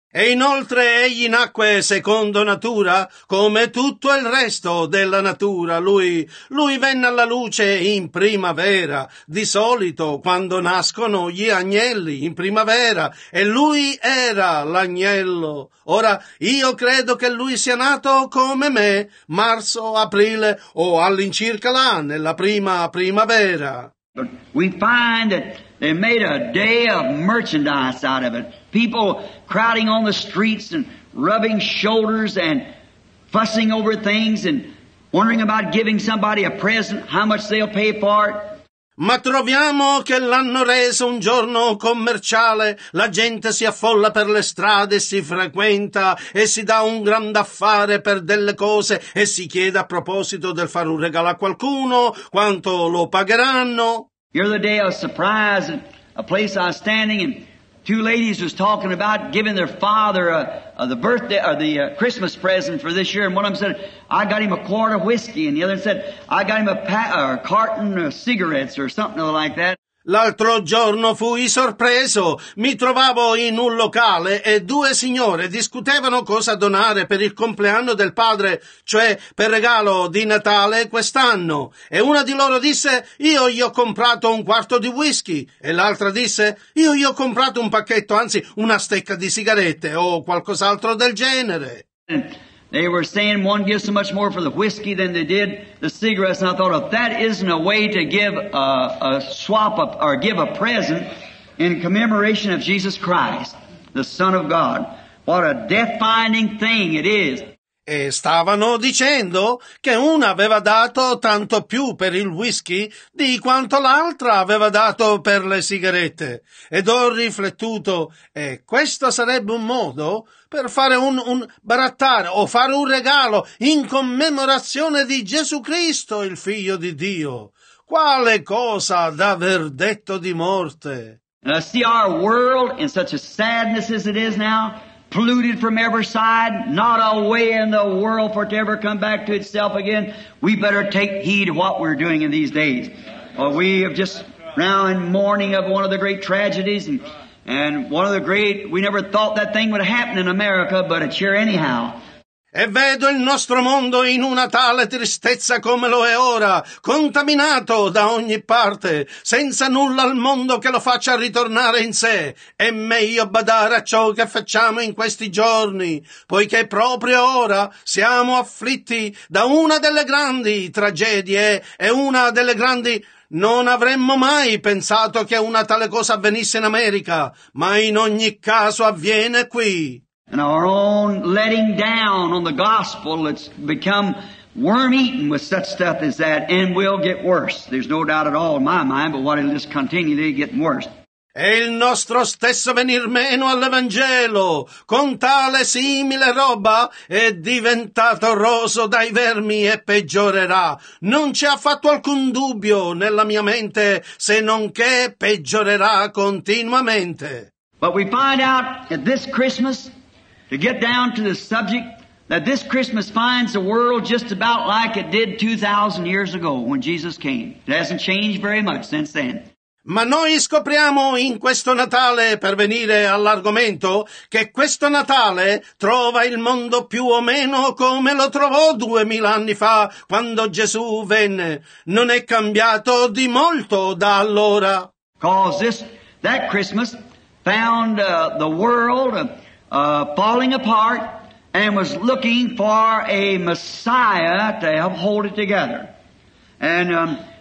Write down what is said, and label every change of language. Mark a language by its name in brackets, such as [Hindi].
[Italian] E inoltre egli nacque secondo natura, come tutto il resto della natura. Lui venne alla luce in primavera, di solito quando nascono gli agnelli in primavera, e lui era l'agnello. Ora, io credo che lui sia nato come me, marzo, aprile, o all'incirca là, nella prima primavera. [English] But we find that they made a day of merchandise out of it. People crowding on the streets and rubbing shoulders and fussing over things and wondering about giving somebody a present, how much they'll pay for it. [Italian] Ma troviamo che l'hanno reso un giorno commerciale. La gente si affolla per le strade, si frequenta e si dà un grande affare per delle cose e si chiede a proposito del fare un regalo a qualcuno, quanto lo pagheranno. [English] Here the day of surprise, a place I was standing, and two ladies was talking about giving their father Christmas present for this year. And one of them said, I got him a quart of whiskey. And the other said, I got him a carton of cigarettes or something like that. [Italian] L'altro giorno fui sorpreso. Mi trovavo in un locale e due signore discutevano cosa donare per il compleanno del padre, cioè per regalo di Natale quest'anno. E una di loro disse, io gli ho comprato un quarto di whisky. E l'altra disse, io gli ho comprato un pacchetto, anzi una stecca di sigarette o qualcos'altro del genere. [English] They were saying one gives so much more for the whiskey than they did the cigarettes. And I thought, if that isn't a way to give give a present in commemoration of Jesus Christ, the Son of God, what a defining thing it is. [Italian] E stavano dicendo che una aveva dato tanto più per il whisky di quanto l'altra aveva dato per le sigarette. Ed ho riflettuto, questo sarebbe un modo per fare un barattare o fare un regalo in commemorazione di Gesù Cristo, il Figlio di Dio. Quale cosa d'aver detto di morte! [English] And I see our world in such a sadness as it is now. Polluted from every side, not a way in the world for it to ever come back to itself again. We better take heed of what we're doing in these days. We have just now in mourning of one of the great tragedies and one of the great, we never thought that thing would happen in America, but it's here anyhow. [Italian] E vedo il nostro mondo in una tale tristezza come lo è ora, contaminato da ogni parte, senza nulla al mondo che lo faccia ritornare in sé. È meglio badare a ciò che facciamo in questi giorni, poiché proprio ora siamo afflitti da una delle grandi tragedie e una delle grandi... Non avremmo mai pensato che una tale cosa avvenisse in America, ma in ogni caso avviene qui. [English] And our own letting down on the gospel, it's become worm-eaten with such stuff as that, and will get worse. There's no doubt at all in my mind, but what it'll just continue, they get worse. [Italian] E il nostro stesso venir meno all'Evangelo, con tale simile roba, è diventato roso dai vermi e peggiorerà. Non c'è affatto alcun dubbio nella mia mente, se non che peggiorerà continuamente. [English] But we find out at this Christmas... To get down to the subject, that this Christmas finds the world just about like it did 2,000 years ago when Jesus came. It hasn't changed very much since then. [Italian] Ma noi scopriamo in questo Natale, per venire all'argomento, che questo Natale trova il mondo più o meno come lo trovò 2,000 anni fa, quando Gesù venne. Non è cambiato di molto da allora. [English] Because that Christmas found the world... falling apart and was looking for a Messiah to help hold it together. And